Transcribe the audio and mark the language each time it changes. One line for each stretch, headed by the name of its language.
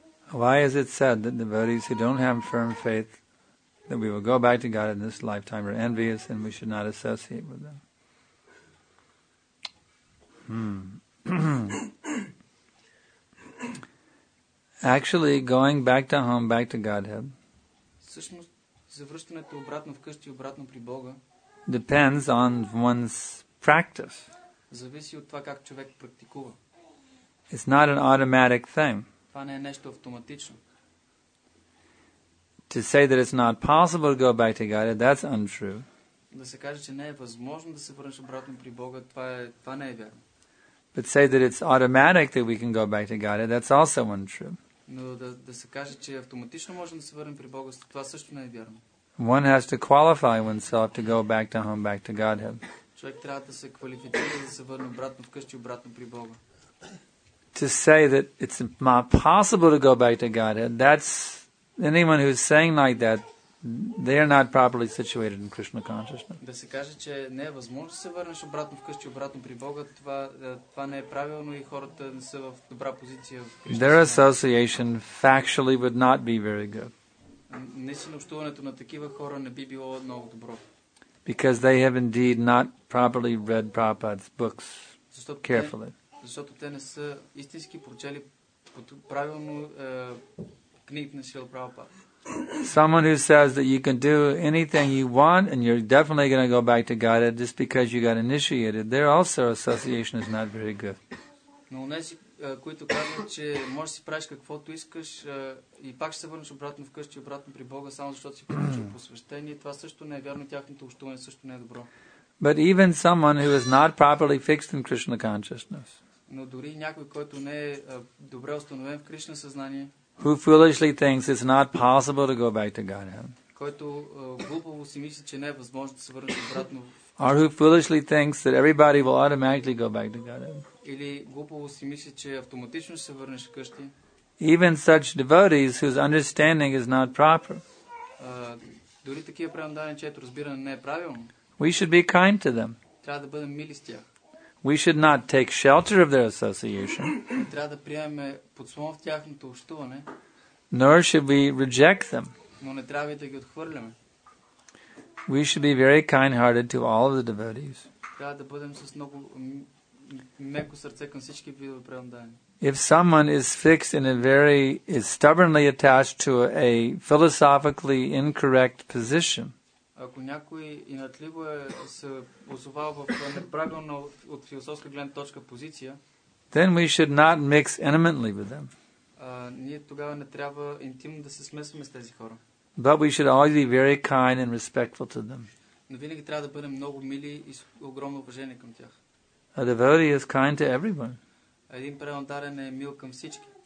English: Why is it said that devotees who don't have firm faith that we will go back to God in this lifetime are envious and we should not associate with them? Actually, going back to home, back to Godhead,
Bulgarian: всъщност, завръщането обратно вкъщи, обратно при Бога,
English: depends on one's practice.
Bulgarian: Зависи от това как човек практикува.
English: It's not an automatic thing.
Bulgarian: Това не е нещо автоматично.
English: To say that it's not possible to go back to God, that's untrue.
Bulgarian: Да се каже, че не е възможно да се върнеш обратно при Бога, това не е вярно.
English: But say that it's automatic that we can go back to God, that's also untrue.
Bulgarian: Но да се каже, че автоматично можем да се върнем при Бога, това също не е вярно.
English: One has to qualify oneself to go back to home, back to Godhead.
Bulgarian: Човек трябва да се квалифицира да се върне обратно вкъщи, обратно при Бога.
English: To say that it's not possible to go back to Godhead, that's anyone who's saying like that, they are not properly situated in Krishna consciousness.
Bulgarian: Да се каже, че не е възможно да се върнеш обратно вкъщи, обратно при Бога, това не е правилно и хората не са в добра позиция в Кришна.
English: Their association factually would not be very good.
Bulgarian: Наистина общуването на такива хора не би било много добро.
English: Because they have indeed not properly read Prabhupada's books carefully.
Bulgarian: Защото те не са истински прочели правилно книги на Шрила Прабхупада.
English: Someone who says that you can do anything you want and you're definitely going to go back to God just because you got initiated, their also association is not very good.
Bulgarian: Но онези, които казват, че можеш да си правиш каквото искаш и пак ще се върнеш обратно вкъщи, обратно при Бога, само защото си получил посвещение, това също не е вярно, тяхното общуване също не е добро.
English: But even someone who is not properly fixed in Krishna consciousness.
Bulgarian: но дори някой, който не е добре установен в Кришна съзнание,
English: who foolishly thinks it's not possible to go back to Godhead,
Bulgarian: който глупаво си мисли, че не е възможно да се върне обратно,
English: or who foolishly thinks that everybody will automatically go back to Godhead,
Bulgarian: или глупаво си мисли, че автоматично ще се върнеш вкъщи,
English: even such devotees whose understanding is not proper,
Bulgarian: дори такива преданни, чието разбиране не е правилно,
English: we should be kind to them.
Bulgarian: Трябва да бъдем мили с тях.
English: We should not take shelter of their association.
Bulgarian: Трябва да приемем подслон в тяхното общуване.
English: Nor should we reject them.
Bulgarian: Но не трябва да ги отхвърляме.
English: We should be very kind-hearted to all of the devotees.
Bulgarian: Трябва да бъдем с много меко сърце към всички видове преданни.
English: If someone is fixed in a very is stubbornly attached to a philosophically incorrect position,
Bulgarian: ако някой инатливо е се озовал в неправилно от философска гледна точка позиция,
English: then we should not mix intimately with them.
Bulgarian: Ние тогава не трябва интимно да се смесваме с тези хора.
English: But we should always be very kind and respectful to them.
Bulgarian: Но винаги трябва да бъдем много мили и с огромно уважение към тях.
English: A devotee is kind to everyone.
Bulgarian: Един преданен е мил към всички.